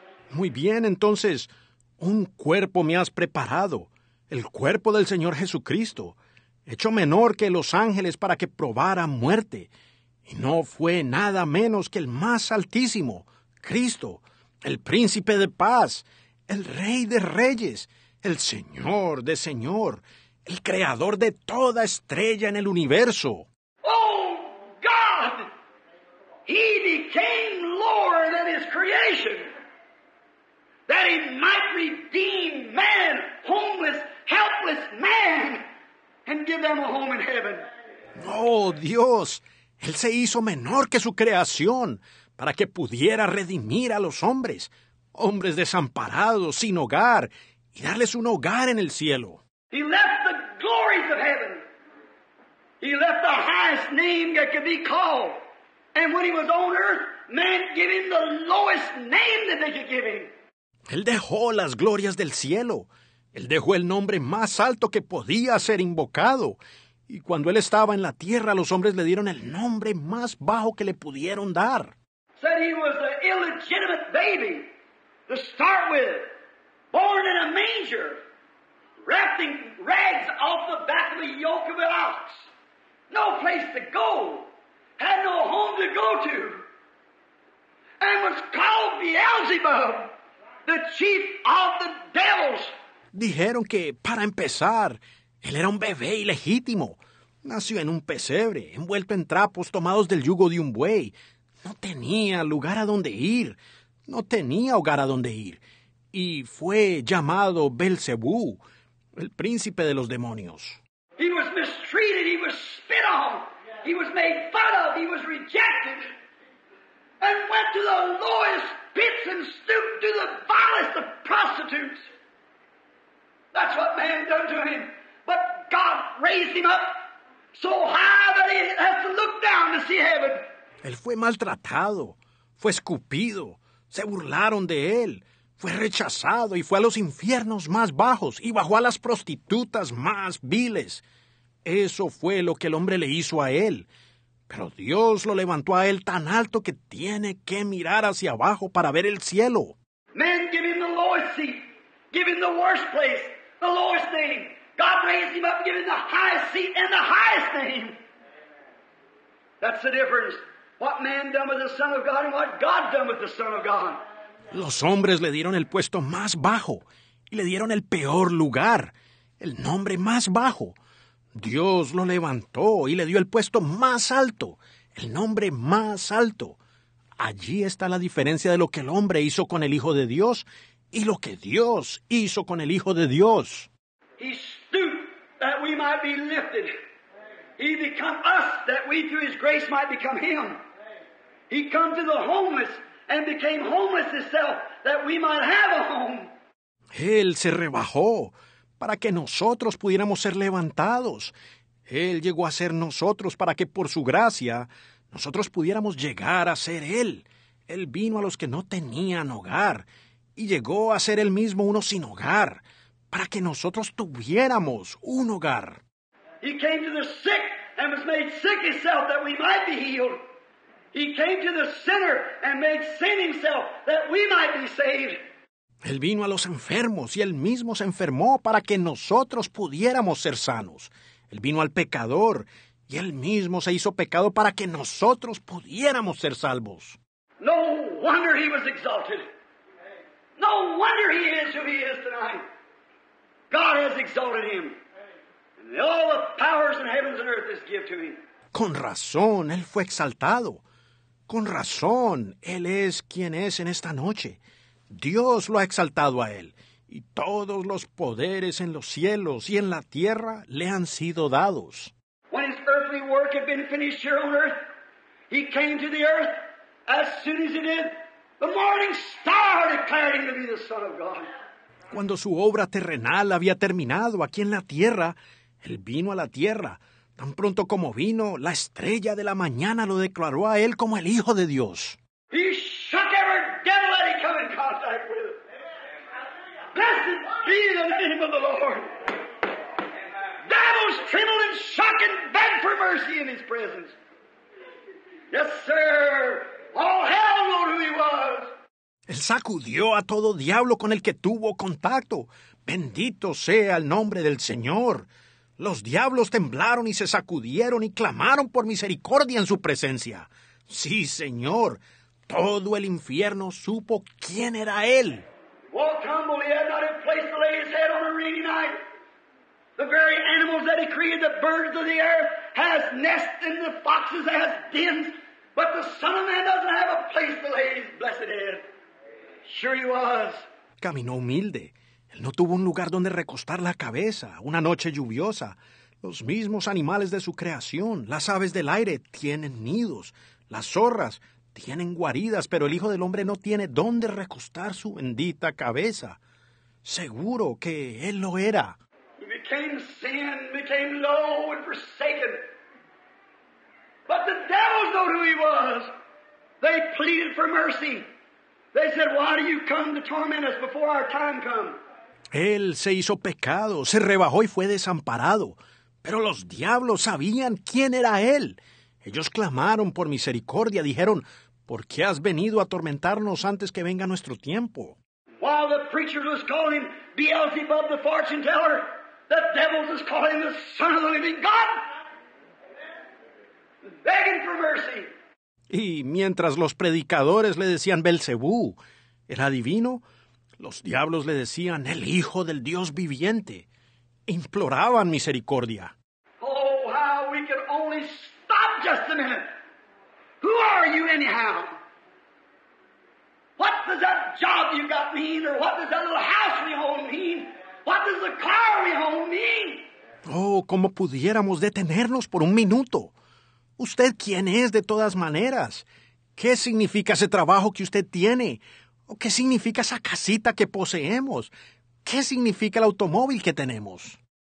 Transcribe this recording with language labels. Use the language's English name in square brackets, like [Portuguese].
[Spanish] Muy bien, entonces, un cuerpo me has preparado, el cuerpo del Señor Jesucristo, hecho menor que los ángeles para que probara muerte. Y no fue nada menos que el más altísimo, Cristo, el príncipe de paz, el rey de reyes, el señor de señor, el creador de toda estrella en el universo. [English] Oh, God! He became Lord of his creation, that he might redeem man, homeless, helpless man, and give them a home in heaven. [Spanish] Oh, Dios! Él se hizo menor que su creación para que pudiera redimir a los hombres, hombres desamparados, sin hogar, y darles un hogar en el cielo. [English] He left the glories of heaven. He left the highest name that could be called. And when he was on earth, man gave him the lowest name that they could give him. [Spanish] Él dejó las glorias del cielo. Él dejó el nombre más alto que podía ser invocado. Y cuando él estaba en la tierra, los hombres le dieron el nombre más bajo que le pudieron dar. [English] Said he was an illegitimate baby to start with, born in a manger, wrapping rags off the back of the yoke of an ox. No place to go, had no home to go to, and was called Beelzebub, the chief of the devils. [Spanish] Dijeron que, para empezar, él era un bebé ilegítimo. Nació en un pesebre, envuelto en trapos tomados del yugo de un buey. No tenía lugar a donde ir. No tenía hogar a donde ir. Y fue llamado Belcebú, el príncipe de los demonios. [English] He was mistreated, he was spit on, he was made fun of, he was rejected, and went to the lowest pits and stooped to the vilest of prostitutes. That's what man done to him. But God raised him up so high that he has to look down to see heaven. [Spanish] Él fue maltratado, fue escupido, se burlaron de él, fue rechazado y fue a los infiernos más bajos y bajó a las prostitutas más viles. Eso fue lo que el hombre le hizo a él. Pero Dios lo levantó a él tan alto que tiene que mirar hacia abajo para ver el cielo. [English] Man, give him the lowest seat, give him the worst place, the lowest name. God raised him up and gave him the highest seat and the highest name. That's the difference. What man done with the Son of God and what God done with the Son of God. [Spanish] Los hombres le dieron el puesto más bajo y le dieron el peor lugar, el nombre más bajo. Dios lo levantó y le dio el puesto más alto, el nombre más alto. Allí está la diferencia de lo que el hombre hizo con el Hijo de Dios y lo que Dios hizo con el Hijo de Dios. [English] He stooped that we might be lifted. He become us that we through his grace might become him. He come to the homeless and became homeless himself that we might have a home. [Spanish] Él se rebajó para que nosotros pudiéramos ser levantados. Él llegó a ser nosotros para que por su gracia nosotros pudiéramos llegar a ser él. Él vino a los que no tenían hogar y llegó a ser él mismo uno sin hogar, para que nosotros tuviéramos un hogar. [English] He came to the sick and was made sick himself that we might be healed. He came to the sinner and made sin himself that we might be saved. [Spanish] Él vino a los enfermos y él mismo se enfermó para que nosotros pudiéramos ser sanos. Él vino al pecador y él mismo se hizo pecado para que nosotros pudiéramos ser salvos. [English] No wonder he was exalted. No wonder he is who he is tonight. God has exalted him, and all the powers in heavens and earth is given to him. [Spanish] Con razón, él fue exaltado. Con razón, él es quien es en esta noche. Dios lo ha exaltado a él, y todos los poderes en los cielos y en la tierra le han sido dados. [English] When his earthly work had been finished here on earth, he came to the earth as soon as he did. The morning star declared him to be the Son of God. [Spanish] Cuando su obra terrenal había terminado aquí en la tierra, él vino a la tierra. Tan pronto como vino, la estrella de la mañana lo declaró a él como el Hijo de Dios. [English] He shook every devil that he came in contact with. Amen. Blessed be the name of the Lord. Amen. devils trembled and shook and begged for mercy in his presence. Yes, sir. All hell knew who he was. [Spanish] Él sacudió a todo diablo con el que tuvo contacto. Bendito sea el nombre del Señor. Los diablos temblaron y se sacudieron y clamaron por misericordia en su presencia. Sí, Señor. Todo el infierno supo quién era él. [English] Walk humbly, he had not a place to lay his head on a rainy night. The very animals that he created, the birds of the air, has nests and the foxes has dens, but the Son of Man doesn't have a place to lay his blessed head. Sure he was. [Spanish] Caminó humilde. Él no tuvo un lugar donde recostar la cabeza. Una noche lluviosa. Los mismos animales de su creación, las aves del aire, tienen nidos. Las zorras tienen guaridas, pero el Hijo del Hombre no tiene dónde recostar su bendita cabeza. Seguro que él lo era. [English] He became sin, became low and forsaken. But the devils know who he was. They pleaded for mercy. They said, why do you come to torment us before our time comes? [Spanish] Él se hizo pecado, se rebajó y fue desamparado. Pero los diablos sabían quién era él. Ellos clamaron por misericordia, dijeron, ¿por qué has venido a atormentarnos antes que venga nuestro tiempo? [English] While the preachers was calling him Beelzebub the fortune teller, the devils was calling him the Son of the Living God, begging for mercy. [Spanish] Y mientras los predicadores le decían Belcebú, el adivino, los diablos le decían el Hijo del Dios viviente. Imploraban misericordia. [English] Oh, how we can only stop just a minute. Who are you anyhow? What does that job you got mean? Or what does that little house we own mean? What does the car we own mean? [Spanish] Oh, cómo pudiéramos detenernos por un minuto. ¿Usted quién es de todas maneras? ¿Qué significa ese trabajo que usted tiene? ¿O qué significa esa casita que poseemos? ¿Qué significa el automóvil que tenemos?